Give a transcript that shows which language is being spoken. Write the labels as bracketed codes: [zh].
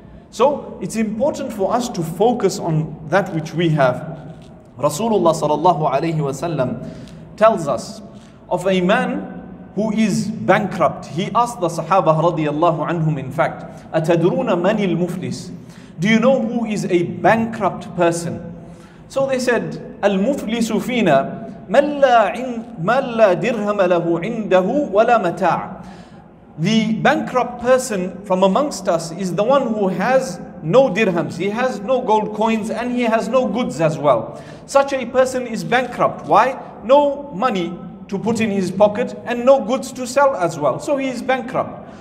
[en] So it's important for us to focus on that which we have. Rasulullah sallallahu alayhi wa sallam tells us of a man who is bankrupt. He asked the Sahaba radiyallahu anhum, in fact, [ar] أَتَدْرُونَ مَنِ الْمُفْلِسِ. [en] Do you know who is a bankrupt person? So they said, [ar] الْمُفْلِسُ فِينَا مَنْ لَا دِرْهَمَ لَهُ عِنْدَهُ وَلَا مَتَاعَ. [en] The bankrupt person from amongst us is the one who has no dirhams, he has no gold coins, and he has no goods as well. Such a person is bankrupt. Why? No money to put in his pocket and no goods to sell as well. So he is bankrupt.